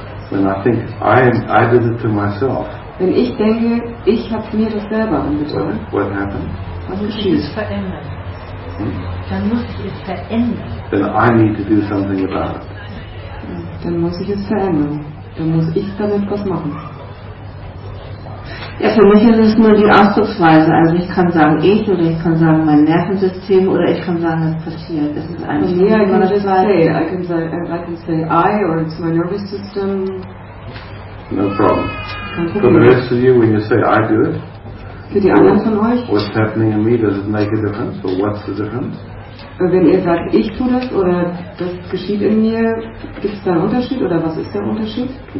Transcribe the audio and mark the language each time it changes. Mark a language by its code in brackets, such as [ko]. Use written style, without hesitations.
[en] When I think I did it to myself. [de] Wenn ich denke, ich habe mir das selber angetan. [en] What happened? [de] Was geschieht? Es verändert. Dann muss ich es verändern. [en] Then I need to do something about it. [de] Dann muss ich es verändern. Dann muss ich damit was machen. Ja, für mich ist es nur die Ausdrucksweise. Also ich kann sagen ich oder ich kann sagen mein Nervensystem oder ich kann sagen das passiert. Das ist eigentlich nur eine Seite. [en] I can say I or it's my nervous system. No problem. For the rest of you, when you say I do it. [de] Für die anderen von euch. [en] What's happening in me? Does it make a difference? Or what's the difference? [de] Wenn ihr sagt, ich tue das oder das geschieht in mir, gibt es da einen Unterschied oder was ist der Unterschied?